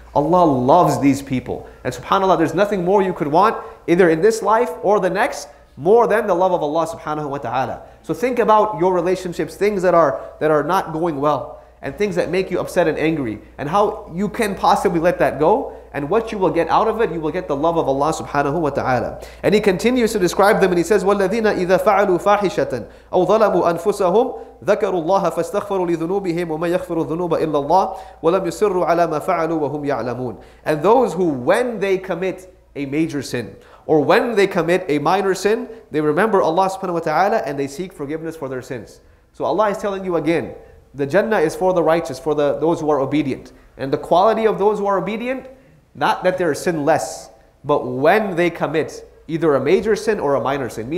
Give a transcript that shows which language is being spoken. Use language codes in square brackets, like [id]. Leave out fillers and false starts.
[en] Allah loves these people. And subhanAllah, there's nothing more you could want, either in this life or the next, more than the love of Allah subhanahu wa ta'ala. So think about your relationships, things that are not going well, and things that make you upset and angry, and how you can possibly let that go, and what you will get out of it. You will get the love of Allah subhanahu wa ta'ala. And he continues to describe them, and he says, [ar] وَالَّذِينَ إِذَا فَعَلُوا فَاحِشَةً أَوْ ظَلَمُوا أَنفُسَهُمْ ذَكَرُوا اللَّهَ فَاسْتَغْفَرُوا لِذُنُوبِهِمْ وَمَنْ يَغْفِرُ الذُّنُوبَ إِلَّا اللَّهِ وَلَمْ يُسِرُّوا عَلَى مَا فَعَلُوا وَهُمْ يَعْلَمُونَ. [en] And those who, when they commit a major sin, or when they commit a minor sin, they remember Allah subhanahu wa ta'ala and they seek forgiveness for their sins. So Allah is telling you again, the Jannah is for the righteous, for those who are obedient. And the quality of those who are obedient, not that they're sinless, but when they commit either a major sin or a minor sin.